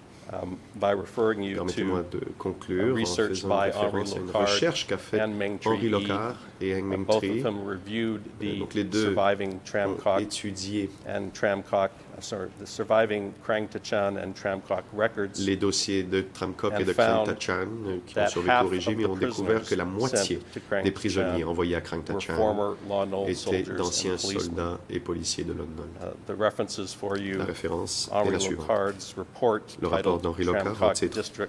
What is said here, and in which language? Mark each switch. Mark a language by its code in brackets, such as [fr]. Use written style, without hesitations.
[fr] Permettez-moi de conclure en faisant référence à une recherche qu'a fait Henri Locard et Heng Ming Tri. Donc les deux ont étudié [en] the surviving Krang Tachan and Tram Kok records. [fr] Les dossiers de Tram Kok et de Krang Tachan qui ont survécu au régime ont découvert que la moitié des prisonniers envoyés à Krang Tachan étaient d'anciens soldats et policiers de Lon Nol. [en] The references for you, [fr] la référence est la suivante. Le rapport d'Henri Locard, en titre